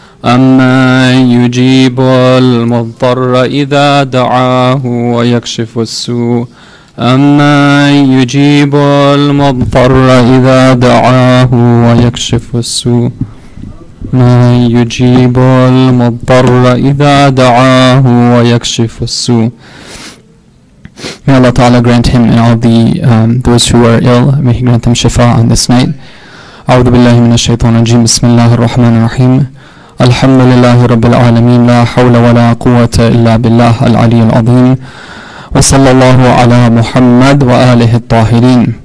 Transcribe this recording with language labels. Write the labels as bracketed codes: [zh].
[ar] أما يجيب المضطر إذا دعاه ويكشف السوء أما يجيب المضطر إذا دعاه ويكشف السوء أما يجيب المضطر إذا دعاه ويكشف السوء. [en] May Allah Ta'ala grant him and all the those who are ill, may He grant them shifa on this night. [ar] أعوذ بالله من الشيطان الرجيم. بسم الله الرحمن الرحيم. الحمد لله رب العالمين لا حول ولا قوة إلا بالله العلي العظيم وصلى الله على محمد وآله الطاهرين.